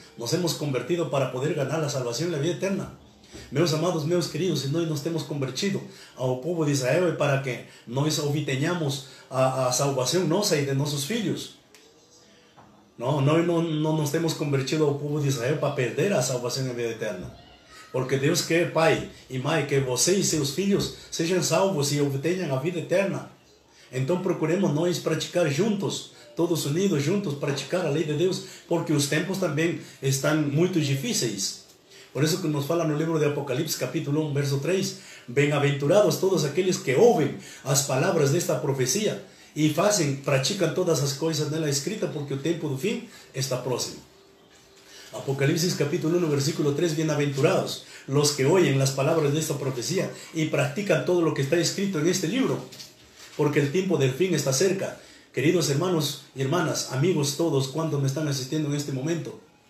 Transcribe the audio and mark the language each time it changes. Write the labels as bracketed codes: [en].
[es] Nos hemos convertido para poder ganar la salvación, la vida eterna. [pt] Meus amados, meus queridos, [es] si no nos hemos convertido al pueblo de Israel para que nos obteñamos a salvación nosa y de nuestros hijos. No nos hemos convertido al pueblo de Israel para perder la salvación, la vida eterna. Porque Dios quiere, Pai y Mãe, que vosotros y seus hijos sean salvos y obtengan la vida eterna. [pt] Entonces procuremos nós praticar juntos, todos unidos juntos, praticar a lei de Deus, porque os tempos também estão muito difíceis. Por isso que nos fala no livro de Apocalipse, capítulo 1, verso 3, bem-aventurados todos aqueles que ouvem as palavras desta profecia e fazem, praticam todas as coisas nela escrita, porque o tempo do fim está próximo. [es] Apocalipse, capítulo 1, versículo 3, bem-aventurados los que oyen las palabras desta profecia e practican todo lo que está escrito en este libro. Porque el tiempo del fin está cerca. Queridos hermanos y hermanas, amigos todos, ¿cuántos me están asistiendo en este momento?